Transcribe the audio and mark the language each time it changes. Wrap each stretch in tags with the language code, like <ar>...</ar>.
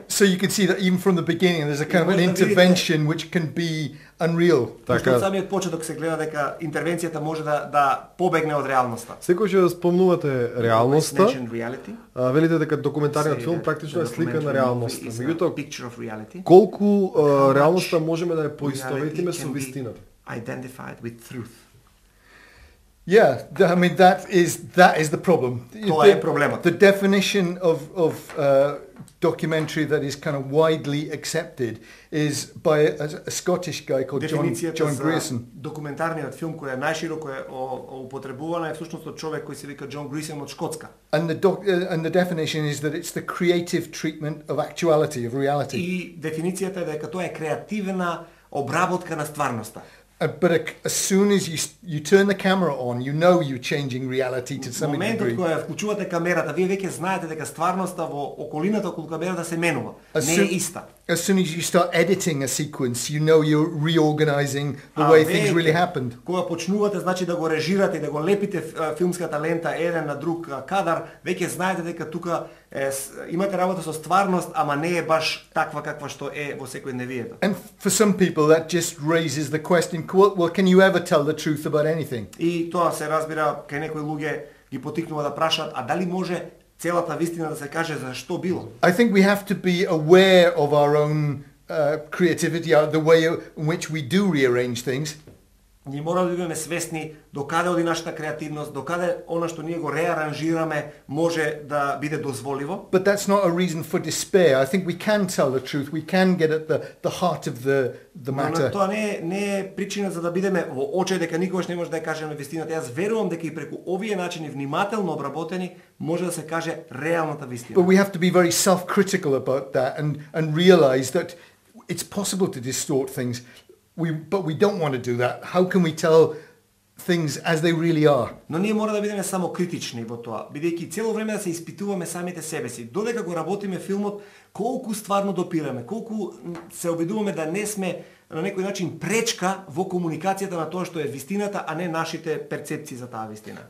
<en>So you can see that even from the beginning there's a kind of an intervention which can be unreal.</en> <mk>Така. Што самиот почеток се гледа дека интервенцијата може да побегне од реалноста. Секој што спомнувате реалноста. Велите дека документарниот филм практично е слика на реалноста. Меѓутоа колку реалноста можеме да ја поистоветиме со вистината?</mk> <en>Identified with truth. Yeah, I mean that is the problem. The definition of documentary that is kind of widely accepted is by a Scottish guy called John Grierson.</en> <mk>Документарниот филм кој е најшироко употребуван е всушност од човек кој се вика Джон Грисон од Шкотска.</mk> <en>And the definition is that it's the creative treatment of actuality, of reality.</en> <mk>И дефиницијата е дека тоа е креативна обработка на стварноста.</mk> <en>But as soon as you turn the camera on, you know you're changing reality to some degree.</en> <mk>Моментот кога вклучувате камерата, вие веќе знаете дека стварноста во околината околу камерата се менува, не е иста.</mk> <en>As soon as you start editing a sequence, you know you're reorganizing the way things really happened.</en> <mk>Кога почнувате, значи да го режирате, да го лепите филмската лента еден на друг кадар, веќе знаете дека тука имате работа со стварност, ама не е баш таква каква што е во секојдневието.</mk> <en>And for some people that just raises the question, well, can you ever tell the truth about anything?</en> <mk>И тоа се разбира кај некои луѓе ги потикнува да прашаат, а дали може целата вистина да се каже за што било?</mk> <en>I think we have to be aware of our own creativity, the way in which we do rearrange things.</en> <mk>Ние мора да бидеме свесни докаде оди нашата креативност, докаде она што ние го реаранжираме може да биде дозволиво.</mk> <en>But that's not a reason for despair. I think we can tell the truth. We can get at the heart of the matter.</en> <mk>Но тоа не е причина за да бидеме во очај дека никогаш не може да кажеме вистината. Јас верувам дека и преку овие начини внимателно обработени може да се каже реалната вистина.</mk> <en>But we have to be very self-critical about that and realize that it's possible to distort things. But we don't want to do that. How can we tell things as they really are?</en> <mk>Но ние мора да бидеме само критични во тоа, бидејќи цело време да се испитуваме самите себе си. Додека го работиме филмот, колку стварно допираме, колку се обидуваме да не сме на некој начин пречка во комуникацијата на тоа што е вистината, а не нашите перцепции за таа вистина.</mk>